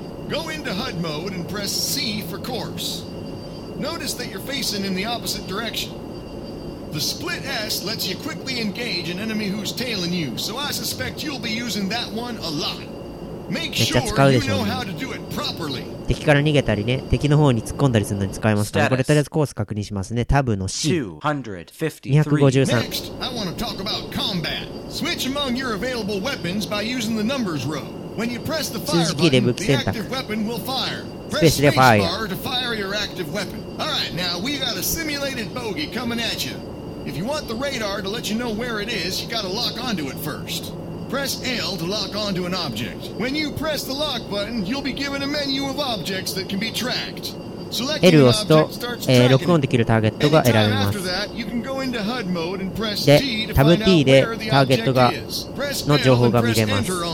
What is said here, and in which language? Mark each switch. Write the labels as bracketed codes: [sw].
[en] Go into HUD mode and press C for course. Notice that you're facing in the opposite direction. The split S lets you quickly engage an enemy who's tailing you, so I suspect you'll be using that one a lot. Make sure you know how to do it properly. [ja] 敵から逃げたりね、敵の方に突っ込んだりするのに使えますから、これとりあえずコース確認しますね。タブの C。 253。 [en] Next, I want to talk about combat. Switch among your available weapons by using the numbers row. When you press the fire button, the active weapon will fire. Press spacebar to fire your active weapon. Alright, now we got a simulated bogey coming at you. If you want the radar to let you know where it is, you gotta lock onto it first. Press L to lock onto an object. When you press the lock button, you'll be given a menu of objects that can be tracked. [ja] L を押すと、録音できるターゲットが選べます。で、タブ T でターゲットがの情報が見れます。